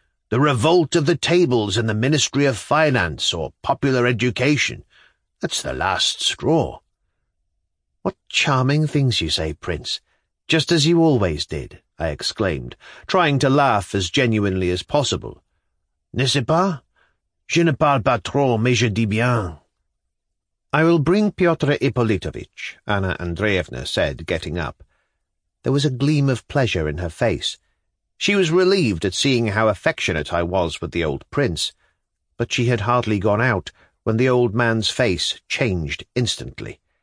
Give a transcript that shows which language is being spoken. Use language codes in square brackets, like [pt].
[en] The revolt of the tables in the Ministry of Finance or Popular Education. That's the last straw.'" "What charming things you say, Prince, just as you always did," I exclaimed, trying to laugh as genuinely as possible. [fr] "N'est-ce pas? Je ne parle pas trop, mais je dis bien." [en] "I will bring Pyotr Ippolitovich," Anna Andreevna said, getting up. There was a gleam of pleasure in her face. She was relieved at seeing how affectionate I was with the old prince, but she had hardly gone out when the old man's face changed instantly.